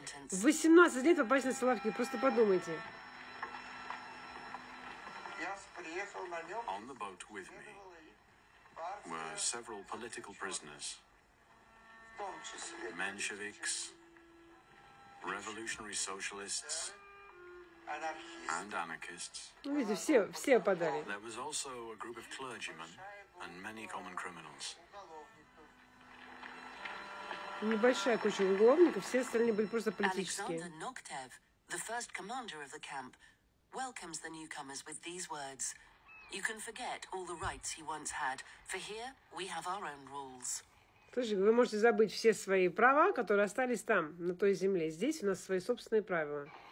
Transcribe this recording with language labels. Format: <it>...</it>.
<ru>В 18 лет попасть на Соловки, просто подумайте.</ru> <en>On the boat with me were several political prisoners, Mensheviks, revolutionary socialists, and anarchists.</en> <ru>Видите, все попадали.</ru> <en>There was also a group of clergymen and many common criminals.</en> <ru>Небольшая куча уголовников, все остальные были просто политические.</ru> <en>Alexander Noktev, the first commander of the camp, welcomes the newcomers with these words. You can forget all the rights you once had, for here we have our own rules.</en> <ru>Слушай, вы можете забыть все свои права, которые остались там, на той земле. Здесь у нас свои собственные правила.</ru>